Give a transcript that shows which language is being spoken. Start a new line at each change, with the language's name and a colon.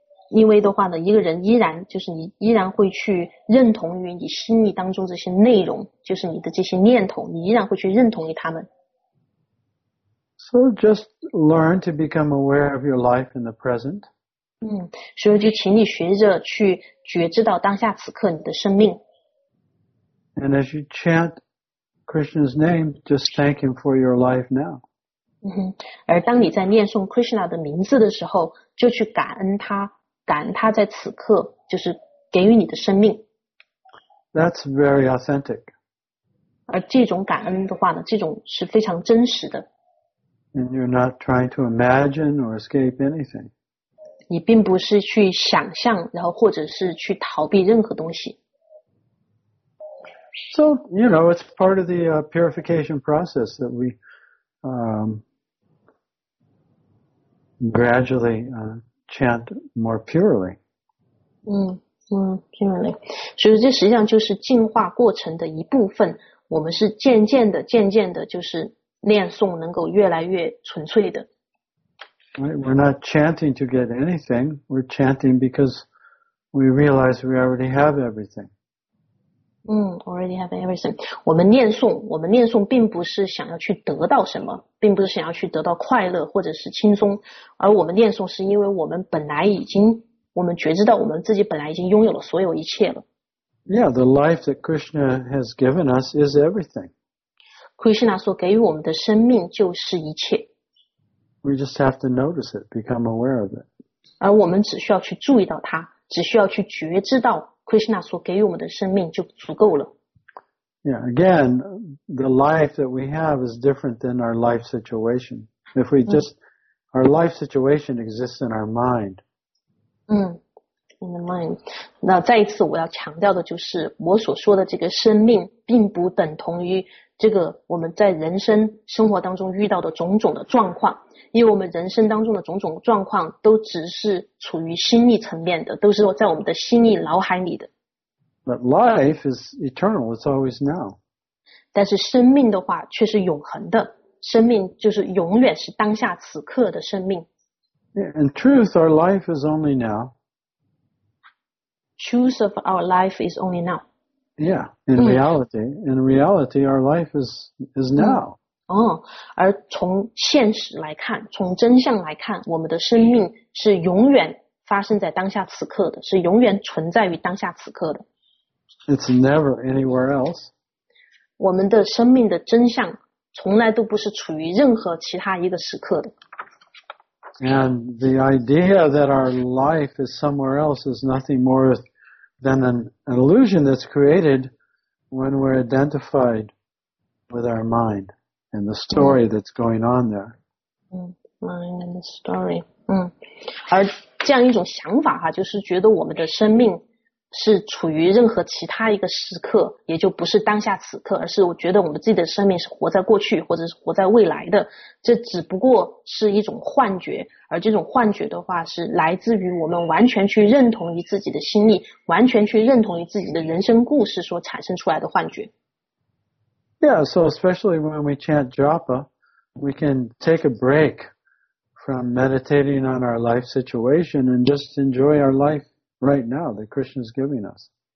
Chinese: 因为的话呢，一个人依然就是你依然会去认同于你心意当中这些内容，就是你的这些念头，你依然会去认同于他们。
English: So just learn to become aware of your life in the present.
Chinese: 所以就请你学着去觉知到当下此刻你的生命。
English: And as you chant Krishna's name, just thank him for your life now.
Chinese: 而当你在念诵 Krishna 的名字的时候，就去感恩他，感恩他在此刻就是给予你的生命。
English: That's very authentic.
Chinese: 而这种感恩的话呢，这种是非常真实的。
English: And you're not trying to imagine or escape anything.
Chinese: 你并不是去想象，然后或者是去逃避任何东西。
English: So, you know, it's part of the purification process that we gradually chant more purely. purely.
Chinese: 所以这实际上就是进化过程的一部分，我们是渐渐的就是念诵能够越来越纯粹的。
English: We're not chanting to get anything, we're chanting because we realize we already have everything. Already have everything.
Chinese: 我们念诵并不是想要去得到什么，并不是想要去得到快乐或者是轻松，而我们念诵是因为我们本来已经，我们觉知到我们自己本来已经拥有了所有一切了。
English: Yeah, the life that Krishna has given us is everything.
Chinese: Krishna 所给予我们的生命就是一切。
English: We just have to notice it, become aware of it.
Chinese: 而我们只需要去注意到它，只需要去觉知到 Krishna 所给予我们的生命就足够了。
English: Yeah, again, the life that we have is different than our life situation. If we just, our life situation exists in our mind. In the mind.
Chinese: 那再一次我要强调的就是，我所说的这个生命并不等同于这个我们在人生生活当中遇到的种种的状况，因为我们人生当中的种种状况都只是处于心意层面的，都是在我们的心意脑海里的。
English: But life is eternal, it's always now.
Chinese: 但是生命的话却是永恒的，生命就是永远是当下此刻的生命。
English: Yeah, in truth, our life is only now. Truth of our life is only now. Yeah, in reality, our life is now.
Chinese: 而从现实来看，从真相来看，我们的生命是永远发生在当下此刻的，是永远存在于当下此刻的。
English: It's never anywhere else.
Chinese: 我们的生命的真相从来都不是处于任何其他一个时刻的。
English: And the idea that our life is somewhere else is nothing more than an illusion that's created when we're identified with our mind and the story that's going on there. Mind and the story.
Chinese: 而这样一种想法就是觉得我们的生命是处于任何其他一个时刻，也就不是当下此刻，而是我觉得我们自己的生命是活在过去或者是活在未来的，这只不过是一种幻觉，而这种幻觉的话是来自于我们完全去认同于自己的心意，完全去认同于自己的人生故事所产生出来的幻觉。
English: Yeah, so especially when we chant japa, we can take a break from meditating on our life situation and just enjoy our lifeRight now, that Krishna is giving us.